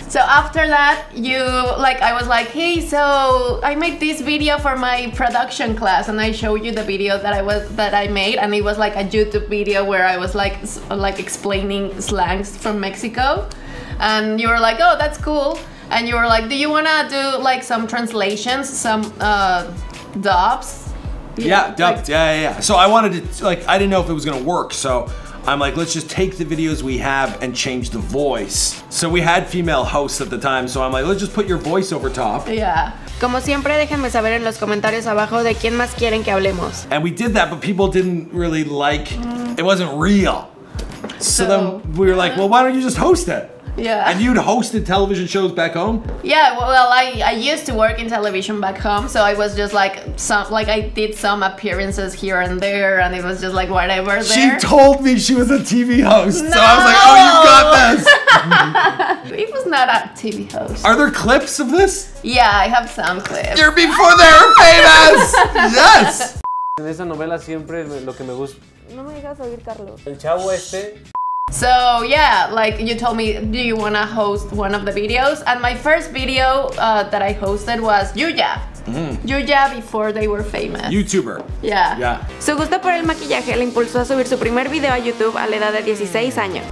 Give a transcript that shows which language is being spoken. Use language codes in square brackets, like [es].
[en] So after that, you like, I was like, hey, so I made this video for my production class, and I showed you the video that I made, and it was like a YouTube video where I was like explaining slangs from Mexico, and you were like, oh, that's cool, and you were like, do you wanna do like some translations, some dubs? Yeah. So I wanted to, like, I didn't know if it was gonna work, so I'm like, let's just take the videos we have and change the voice. So we had female hosts at the time, so I'm like, let's just put your voice over top. Yeah. [es] Como siempre, déjenme saber en los comentarios abajo de quién más quieren que hablemos. [en] And we did that, but people didn't really like, it wasn't real. So then we were like, well, why don't you just host it? Yeah. And you'd hosted television shows back home? Yeah, well, I used to work in television back home, so I was just like, I did some appearances here and there, and it was just like whatever there. She told me she was a TV host, no! So I was like, oh, you got this! It was not a TV host. Are there clips of this? Yeah, I have some clips. You're before they're famous! Yes! [es] En esa novela siempre lo que me gusta... No me digas oír, Carlos. El chavo este... [en] So yeah, like you told me, do you wanna host one of the videos? And my first video that I hosted was Yuya. Mm. Yuya before they were famous. YouTuber. Yeah. Yeah. [es] Su gusto por el maquillaje le impulsó a subir su primer video a YouTube a la edad de 16 años.